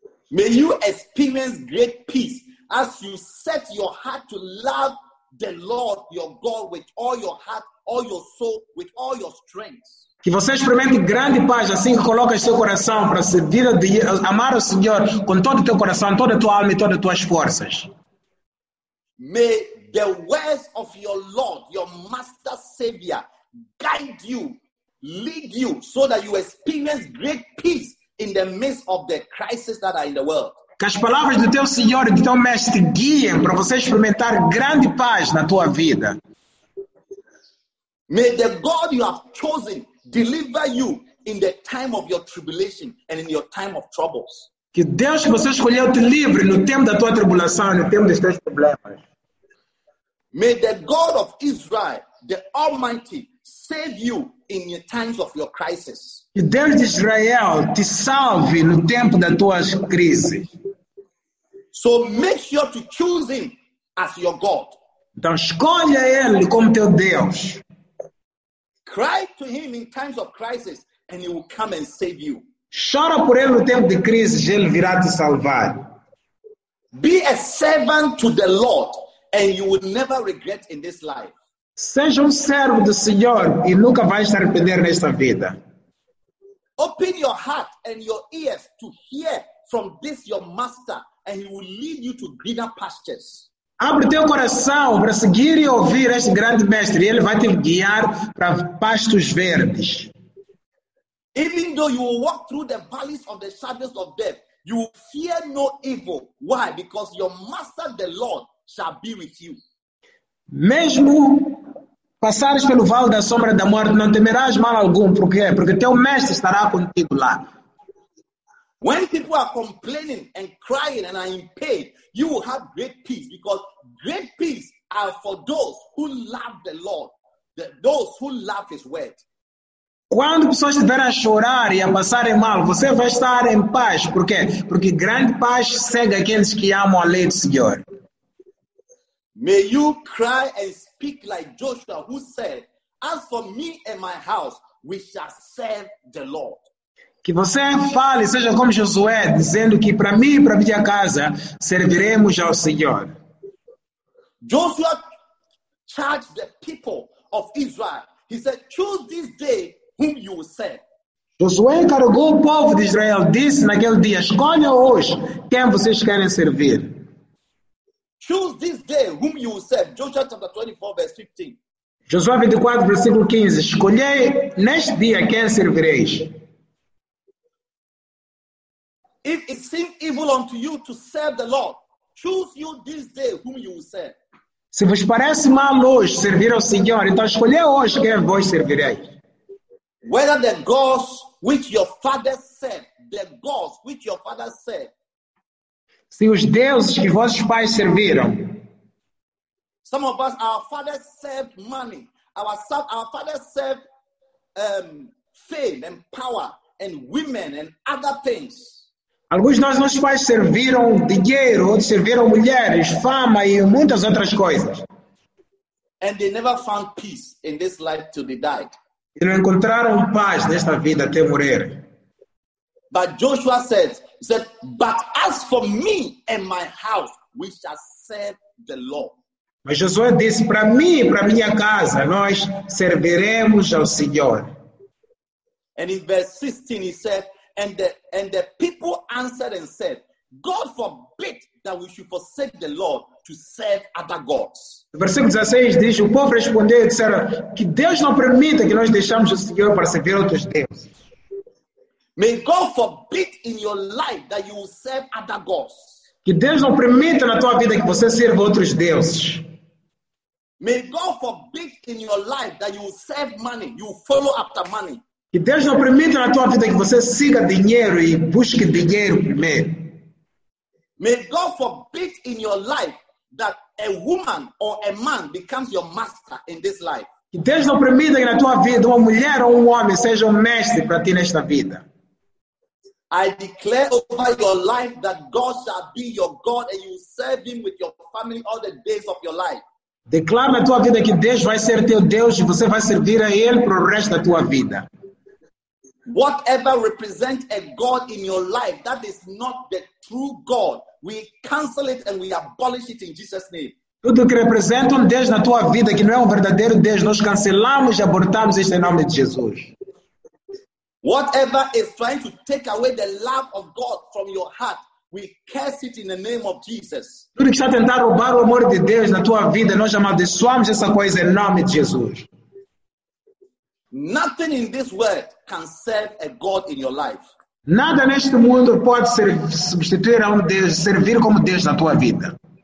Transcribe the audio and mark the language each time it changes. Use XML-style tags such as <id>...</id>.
<en>May you experience great peace as you set your heart to love the Lord your God with all your heart, all your soul, with all your strength.</en> <pt>Que você experimente grande paz assim que coloca o seu coração para servir, amar o Senhor com todo o teu coração, toda a tua alma e todas as tuas forças.</pt> <en>May the words of your Lord, your Master Savior, guide you, lead you, so that you experience great peace in the midst of the crises that are in the world.</en> <pt>Que as palavras do teu Senhor e do teu Mestre guiem para você experimentar grande paz na tua vida.</pt> <en>May the God you have chosen deliver you in the time of your tribulation and in your time of troubles.</en> <pt>Que Deus que você escolheu te livre no tempo da tua tribulação, no tempo dos teus problemas.</pt> <en>May the God of Israel, the Almighty, save you in your times of your crisis.</en> <pt>Que Deus de Israel te salve no tempo da tua crise.</pt> <en>So make sure to choose Him as your God.</en> <pt>Então escolha Ele como teu Deus.</pt> <en>Cry to Him in times of crisis and He will come and save you.</en> <pt>Chora por Ele no tempo de crise e Ele virá te salvar.</pt> <en>Be a servant to the Lord and you will never regret in this life.</en> <pt>Seja servo do Senhor e nunca vai se arrepender nesta vida.</pt> <en>Open your heart and your ears to hear from this your Master and He will lead you to greener pastures.</en> <pt>Abre teu coração para seguir e ouvir este grande mestre. E ele vai te guiar para pastos verdes.</pt> <en>Even though you will walk through the valleys of the shadows of death, you will fear no evil. Why? Because your Master, the Lord, shall be with you.</en> <pt>Mesmo passares pelo vale da sombra da morte, não temerás mal algum. Por quê? Porque teu mestre estará contigo lá.</pt> <en>When people are complaining and crying and are in pain, you will have great peace because great peace are for those who love the Lord, those who love His word.</en> <pt>Quando pessoas estiverem a chorar e a passarem mal, você vai estar em paz. Por quê? Porque grande paz segue aqueles que amam a lei do Senhor.</pt> <en>May you cry and speak like Joshua, who said, "As for me and my house, we shall serve the Lord."</en> <pt>Que você fale, seja como Josué, dizendo que para mim e para minha casa, serviremos ao Senhor.</pt> <en>Joshua charged the people of Israel. He said, choose this day whom you will serve.</en> <pt>Josué encarregou o povo de Israel, disse naquele dia, escolha hoje quem vocês querem servir.</pt> <en>Choose this day whom you will serve. Joshua chapter 24, verse 15.</en> <pt>Josué 24, versículo 15. Escolhei neste dia quem servireis.</pt> <en>If it seems evil unto you to serve the Lord, choose you this day whom you will serve.</en> <pt>Se vos parece mal hoje servir ao Senhor, então escolhe hoje quem vos servirei.</pt> <en>Whether the gods which your fathers served, the gods which your fathers served.</en> <pt>Se os deuses que vossos pais serviram.</pt> <en>Some of us, our fathers served money. Our fathers served fame and power and women and other things.</en> <pt>Alguns de nós, nossos pais serviram dinheiro, outros serviram mulheres, fama e muitas outras coisas.</pt> <en>And they never found peace in this life till they died.</en> <pt>E não encontraram paz nesta vida até morrer.</pt> <en>But Joshua said, but as for me and my house, we shall serve the Lord.</en> <pt>Mas Josué disse, para mim e para minha casa, nós serviremos ao Senhor.</pt> <en>And in verse 16 he said, And the people answered and said, God forbid that we should forsake the Lord to serve other gods.</en> <pt>Versículo 16 diz, o povo respondeu e disseram, que Deus não permita que nós deixamos o Senhor para servir outros deuses.</pt> <en>May God forbid in your life that you will serve other gods.</en> <pt>Que Deus não permita na tua vida que você sirva outros deuses.</pt> <en>May God forbid in your life that you will serve money, you will follow after money.</en> <pt>Que Deus não permita na tua vida que você siga dinheiro e busque dinheiro primeiro.</pt> <en>May God forbid in your life that a woman or a man becomes your master in this life.</en> <pt>Que Deus não permita que na tua vida uma mulher ou um homem seja um mestre para ti nesta vida.</pt> <en>I declare over your life that God shall be your God and you will serve him with your family all the days of your life.</en> <pt>Declaro na tua vida que Deus vai ser teu Deus e você vai servir a ele para o resto da tua vida.</pt> <en>Whatever represents a God in your life that is not the true God, we cancel it and we abolish it in Jesus' name.</en> <pt>Tudo que representa um Deus na tua vida que não é um verdadeiro Deus, nós cancelamos e abortamos isso em nome de Jesus.</pt> <en>Whatever is trying to take away the love of God from your heart, we curse it in the name of Jesus.</en> <pt>Tudo que está tentando roubar o amor de Deus na tua vida, nós amaldiçoamos essa coisa em nome de Jesus.</pt> <en>Nothing in this world can serve a God in your life.</en> <pt>Nada neste mundo pode substituir a um Deus, servir como Deus na tua vida.</pt>